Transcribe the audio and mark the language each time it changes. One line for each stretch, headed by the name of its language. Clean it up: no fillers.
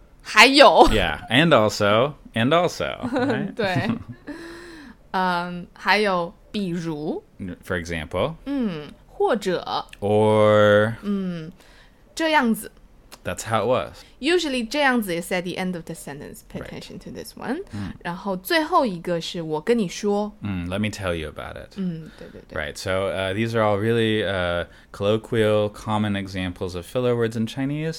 English: Yeah, and also, right?
Chinese: 对、还有比如
English: For example
Chinese: 或者
English: Or
Chinese: 这样子
English: That's how it was. Usually, 这样子 is at the end of the sentence. Pay attention、right. to this one.、 Mm.
Chinese: 然后最后一个是我跟你说。
English: Let me tell you about it.、
Chinese: 对对对。
English: Right, so、these are all really、colloquial, common examples of filler words in Chinese.